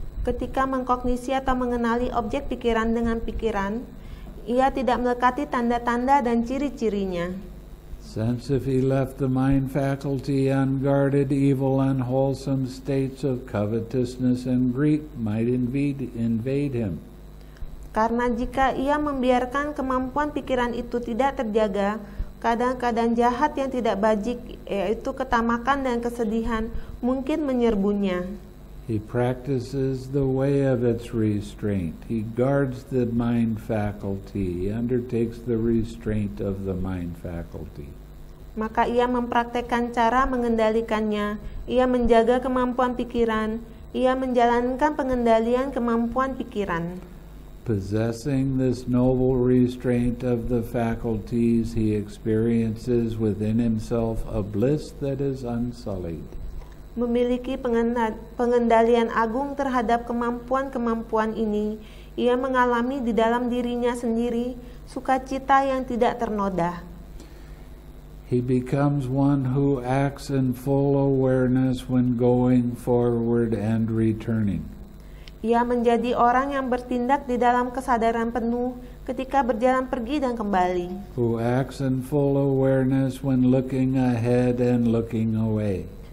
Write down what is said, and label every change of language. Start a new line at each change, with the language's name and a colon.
Indonesian: Ketika mengkognisi atau mengenali objek pikiran dengan pikiran, ia tidak melekati tanda-tanda dan ciri-cirinya.
English: Since if he left the mind faculty unguarded, evil unwholesome states of covetousness and greed might invade him.
Indonesian: Karena jika ia membiarkan kemampuan pikiran itu tidak terjaga, keadaan-keadaan jahat yang tidak bajik, yaitu ketamakan dan kesedihan, mungkin menyerbunya.
English: He practices the way of its restraint. He guards the mind faculty. He undertakes the restraint of the mind faculty.
Indonesian: Maka ia mempraktekkan cara mengendalikannya. Ia menjaga kemampuan pikiran. Ia menjalankan pengendalian kemampuan pikiran.
English: Possessing this noble restraint of the faculties, he experiences within himself a bliss that is unsullied.
Indonesian: Memiliki pengendalian agung terhadap kemampuan-kemampuan ini, ia mengalami di dalam dirinya sendiri sukacita yang tidak ternoda.
English: He becomes one who acts in full awareness when going forward and returning.
Indonesian: Ia menjadi orang yang bertindak di dalam kesadaran penuh ketika berjalan pergi dan kembali.
English: Who acts in full awareness when looking ahead and looking away.